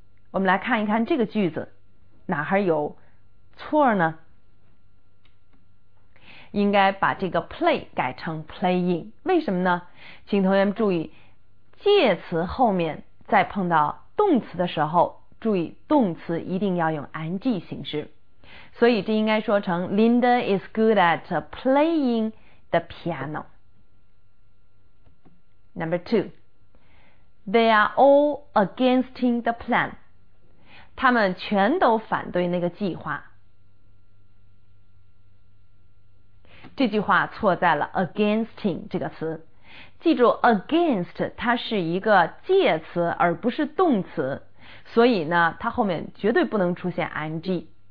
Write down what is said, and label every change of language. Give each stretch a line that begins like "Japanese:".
Chinese: 我们来看一看这个句子，哪还有错呢？应该把这个 play 改成 playing. 为什么呢？请同学们注意，介词后面在碰到动词的时候，注意动词一定要用 ing 形式。所以这应该说成
English: Linda is good at playing the piano. Number two, they are all against the plan.
Chinese: 他们全都反对那个计划。这句话错在了 against 这个词。记住 against 它是一个介词而不是动词，所以呢它后面绝对不能出现 ing。